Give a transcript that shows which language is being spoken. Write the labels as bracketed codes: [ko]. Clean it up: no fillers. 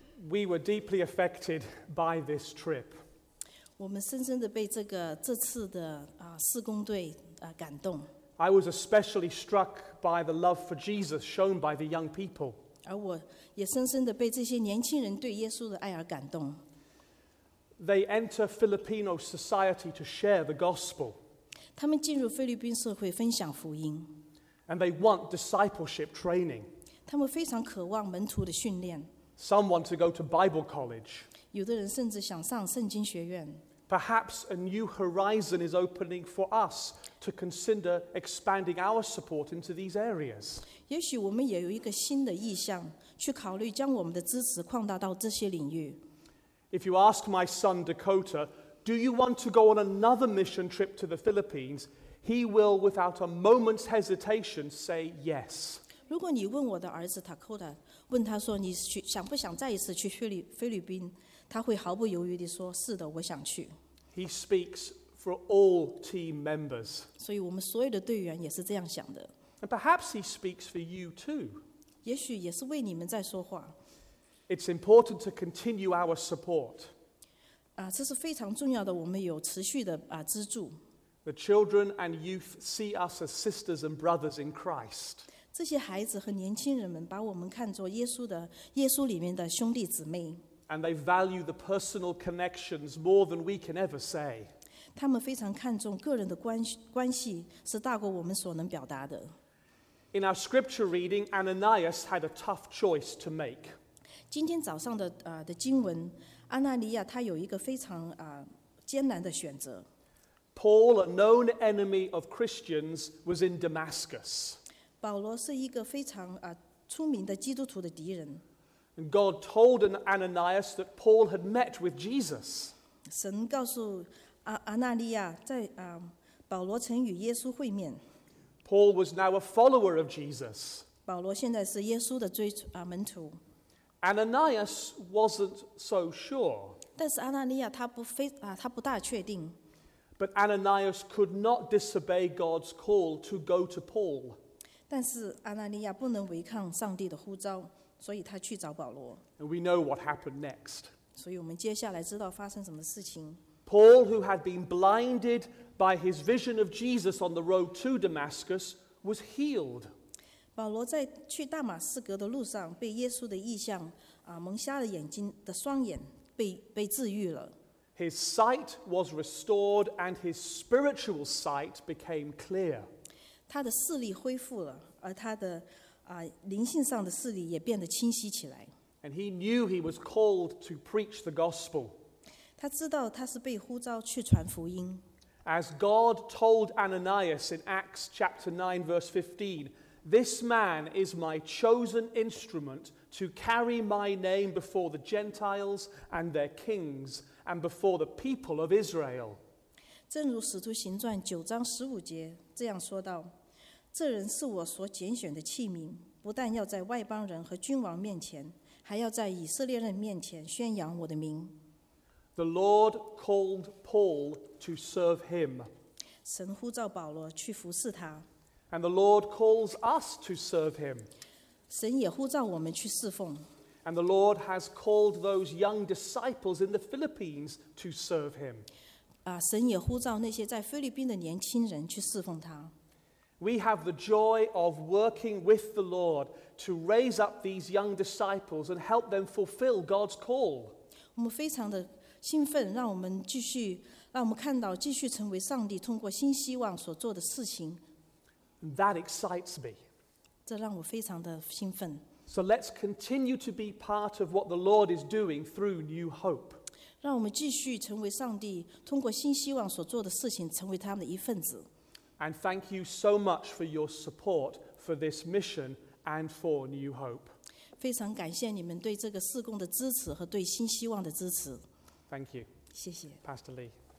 [en] We were deeply affected by this trip. [zh] 我们深深地被这次的事工队感动。 [en] I was especially struck by the love for Jesus shown by the young people. [zh] 而我也深深地被这些年轻人对耶稣的爱而感动。 [en] They enter Filipino society to share the gospel. [zh] 他们进入菲律宾社会分享福音。 [en] And they want discipleship training. [zh] 他们非常渴望门徒的训练。 [en] Some want to go to Bible college. [zh] 有的人甚至想上圣经学院。 [en] Perhaps a new horizon is opening for us to consider expanding our support into these areas. [zh] 也许我们也有一个新的意向，去考虑将我们的支持扩大到这些领域。 [en] If you ask my son Dakota, do you want to go on another mission trip to the Philippines? He will, without a moment's hesitation, say yes. [zh] 如果你问我的儿子 Dakota， 问他说你想不想再一次去菲律宾，他会毫不犹豫地说是的，我想去。 [en] He speaks for all team members. [zh] 所以我们所有的队员也是这样想的。 [en] And perhaps he speaks for you too. [zh] 也许也是为你们在说话。 [en] It's important to continue our support. [zh] 这是非常重要的，我们有持续的资助。 [en] The children and youth see us as sisters and brothers in Christ. [zh] 这些孩子和年轻人们把我们看作耶稣里面的兄弟姊妹。 [en] And they value the personal connections more than we can ever say. [zh] 他们非常看重个人的关系是大过我们所能表达的。 [en] In our scripture reading, Ananias had a tough choice to make. [zh] 今天早上的经文，阿纳尼亚他有一个非常艰难的选择。 [en] Paul, a known enemy of Christians, was in Damascus. [zh] 保罗是一个非常出名的基督徒的敌人。 [en] And God told Ananias that Paul had met with Jesus. [zh] 神告诉阿纳尼亚，在保罗曾与耶稣会面。 [en] Paul was now a follower of Jesus. [zh] 保罗现在是耶稣的门徒。 [en] Ananias wasn't so sure. [zh] 但是阿纳尼亚他不大确定。 [en] But Ananias could not disobey God's call to go to Paul. [zh] 但是阿纳尼亚不能违抗上帝的呼召，所以他去找保罗。 [en] And we know what happened next. [zh] 所以我们接下来知道发生什么事情。 [en] Paul, who had been blinded by his vision of Jesus on the road to Damascus, was healed. [zh] 保罗在去大马士革的路上，被耶稣的异象蒙瞎了眼睛的双眼被治愈了。 [en] His sight was restored, and his spiritual sight became clear. [zh] 他的视力恢复了，而他的灵性上的视力也变得清晰起来。 [en] And he knew he was called to preach the gospel. [zh] 他知道他是被呼召去传福音。 [en] As God told Ananias in Acts chapter 9 verse 15, this man is my chosen instrument to carry my name before the Gentiles and their kings and before the people of Israel. [zh] 正如《使徒行传》九章十五节这样说道：“这人是我所拣选的器皿，不但要在外邦人和君王面前，还要在以色列人面前宣扬我的名。” [en] The Lord called Paul to serve him. [zh] 神呼召保罗去服侍他。 [en] And the Lord calls us to serve him. [zh] 神也呼召我们去侍奉。 [en] And the Lord has called those young disciples in the Philippines to serve him. [zh] 神也呼召那些在菲律宾的年轻人去侍奉他。 [en] We have the joy of working with the Lord to raise up these young disciples and help them fulfill God's call. [zh] 我们非常的兴奋，让我们看到继续成为上帝通过新希望所做的事情。 [en] That excites me. [zh] 这让我非常的兴奋。 [en] So let's continue to be part of what the Lord is doing through New Hope. [zh] 让我们继续成为上帝通过新希望所做的事情，成为他们的一份子。 [en] And thank you so much for your support for this mission and for New Hope. [zh] 非常感谢你们对这个事工的支持和对新希望的支持。 [en] Thank you. [zh] 谢谢。 [en] Pastor Lee.